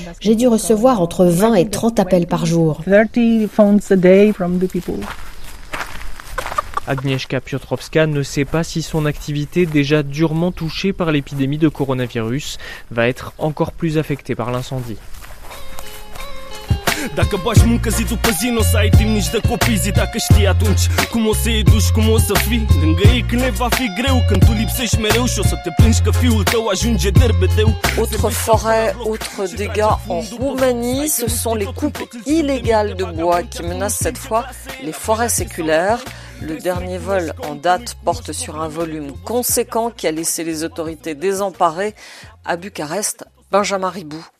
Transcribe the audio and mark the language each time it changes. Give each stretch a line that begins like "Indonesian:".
French: J'ai dû recevoir entre 20 et 30 appels par jour. Agnieszka Piotrowska ne sait pas si son activité, déjà durement touchée par l'épidémie de coronavirus, va être encore plus affectée par l'incendie.
Romanian: Dacă bași muncă zi după zi, n-o să ai timp nici de copii. Zi dacă știi atunci cum o să iei duș, cum o să fii. Lângă ei când ne va fi greu, când tu lipsești mereu. Și o să te plângi că fiul tău ajunge derbedeu.
French: Autre forêt, autre dégâts en Roumanie. Ce sont les coupes illégales de bois qui menacent cette fois les forêts séculaires. Le dernier vol en date porte sur un volume conséquent qui a laissé les autorités désemparées. À Bucarest, Benjamin Ribou.